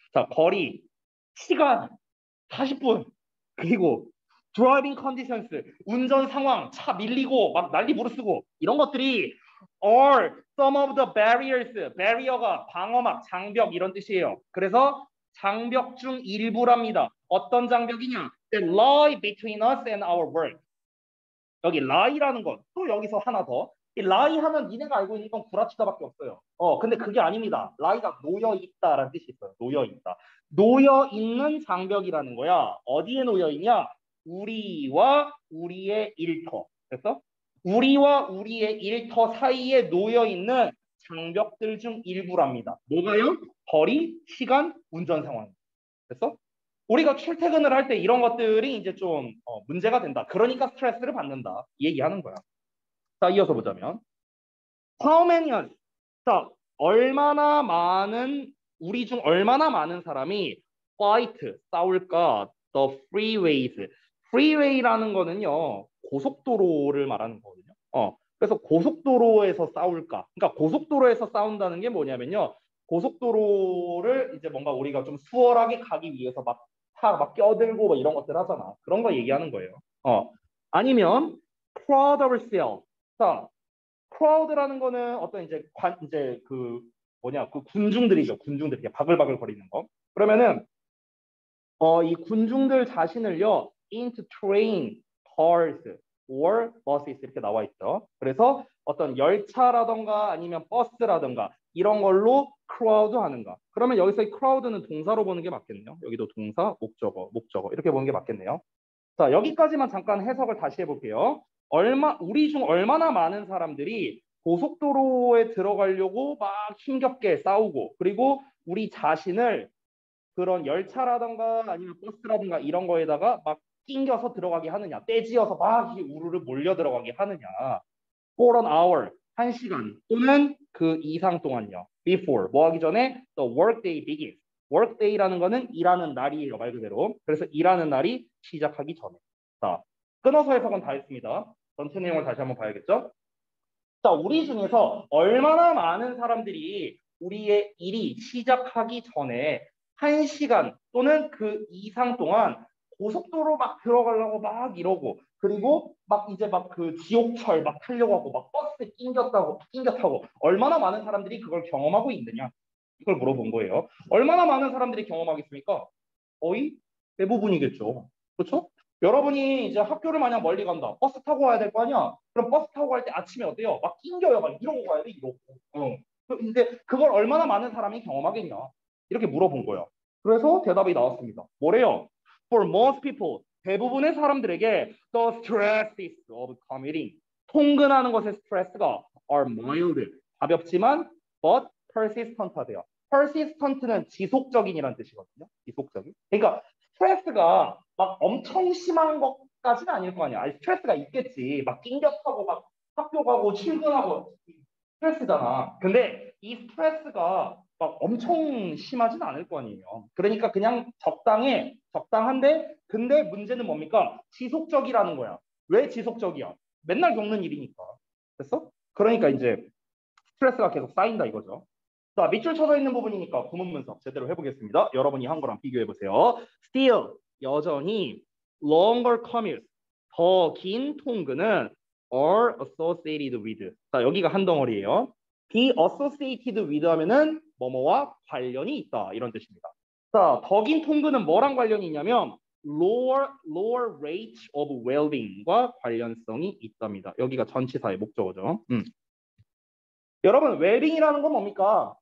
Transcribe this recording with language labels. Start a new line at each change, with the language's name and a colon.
Korean: 자, 거리, 시간, 40분. 그리고
English: driving conditions,
Korean: 운전 상황, 차 밀리고 막 난리 부르스고 이런 것들이
English: or some of the barriers,
Korean: 배리어가 방어막, 장벽 이런 뜻이에요. 그래서 장벽 중 일부랍니다. 어떤 장벽이냐?
English: The lie between us and our world.
Korean: 여기 lie라는 건 또 여기서 하나 더. 이 lie 하면 니네가 알고 있는 건 구라치다밖에 없어요. 근데 그게 아닙니다. lie가 놓여있다라는 뜻이 있어요. 놓여있다. 놓여있는 장벽이라는 거야. 어디에 놓여있냐? 우리와 우리의 일터. 됐어? 우리와 우리의 일터 사이에 놓여있는 장벽들 중 일부랍니다. 뭐가요? 거리, 시간, 운전 상황. 됐어? 우리가 출퇴근을 할 때 이런 것들이 이제 좀 문제가 된다. 그러니까 스트레스를 받는다. 얘기하는 거야. 자, 이어서 보자면.
English: How many of us?
Korean: 자, 얼마나 많은, 우리 중 얼마나 많은 사람이 fight, 싸울까?
English: The freeways.
Korean: Freeway라는 거는요, 고속도로를 말하는 거거든요. 그래서 고속도로에서 싸울까? 그러니까 고속도로에서 싸운다는 게 뭐냐면요. 고속도로를 이제 뭔가 우리가 좀 수월하게 가기 위해서 막 차 막 껴들고 막 이런 것들 하잖아. 그런 거 얘기하는 거예요.
English: 아니면 crowd ourselves.
Korean: 자, crowd라는 거는 어떤 이제 그 군중들이죠. 군중들 이렇게 바글바글 거리는 거. 그러면은 이 군중들 자신을요
English: into train, cars or buses
Korean: 이렇게 나와 있죠. 그래서 어떤 열차라든가 아니면 버스라든가 이런 걸로 crowd 하는가. 그러면 여기서 crowd는 동사로 보는 게 맞겠네요. 여기도 동사, 목적어 이렇게 보는 게 맞겠네요. 자, 여기까지만 잠깐 해석을 다시 해볼게요. 우리 중 얼마나 많은 사람들이 고속도로에 들어가려고 막 힘겹게 싸우고, 그리고 우리 자신을 그런 열차라든가 아니면 버스라든가 이런 거에다가 막 낑겨서 들어가게 하느냐, 떼지어서 막 우르르 몰려 들어가게 하느냐.
English: For an hour,
Korean: 한 시간 또는 그 이상 동안요.
English: Before,
Korean: 뭐 하기 전에
English: the workday begins.
Korean: Workday라는 거는 일하는 날이에요, 말 그대로. 그래서 일하는 날이 시작하기 전에. 자, 끊어서 해석은 다 했습니다. 전체 내용을 다시 한번 봐야겠죠? 자, 우리 중에서 얼마나 많은 사람들이 우리의 일이 시작하기 전에 한 시간 또는 그 이상 동안 고속도로 막 들어가려고 막 이러고, 그리고 막 이제 막 그 지옥철 막 타려고 하고 막 버스 낑겨 타고 얼마나 많은 사람들이 그걸 경험하고 있느냐, 이걸 물어본 거예요. 얼마나 많은 사람들이 경험하겠습니까? 거의 대부분이겠죠. 그렇죠? 여러분이 이제 학교를 만약 멀리 간다, 버스 타고 와야 될 거 아니야? 그럼 버스 타고 갈 때 아침에 어때요? 막 낑겨요, 막 이러고 가야 돼, 이러고. 근데 그걸 얼마나 많은 사람이 경험하겠냐, 이렇게 물어본 거예요. 그래서 대답이 나왔습니다. 뭐래요?
English: For most people,
Korean: 대부분의 사람들에게
English: the stresses of commuting,
Korean: 통근하는 것의 스트레스가
English: are mild,
Korean: 가볍지만
English: but persistent 하대요.
Korean: Persistent는 지속적인이라는 뜻이거든요. 지속적인. 그러니까 스트레스가 막 엄청 심한 것까지는 아닐 거 아니야. 아니, 스트레스가 있겠지. 막 낑겨 타고 막 학교 가고 출근하고 스트레스잖아. 근데 이 스트레스가 막 엄청 심하진 않을 거 아니에요. 그러니까 그냥 적당해. 적당한데, 근데 문제는 뭡니까? 지속적이라는 거야. 왜 지속적이야? 맨날 겪는 일이니까. 됐어? 그러니까 이제 스트레스가 계속 쌓인다 이거죠. 자, 밑줄 쳐져 있는 부분이니까 구문 분석 제대로 해보겠습니다. 여러분이 한 거랑 비교해보세요.
English: Still,
Korean: 여전히
English: longer commute,
Korean: 더 긴 통근은
English: are associated with.
Korean: 자, 여기가 한 덩어리예요. Be associated with 하면은 뭐뭐와 관련이 있다 이런 뜻입니다. 자, 더 긴 통근은 뭐랑 관련이 있냐면
English: lower rate of well-being
Korean: 과 관련성이 있답니다. 여기가 전치사의 목적어죠. 여러분, well-being이라는 건 뭡니까?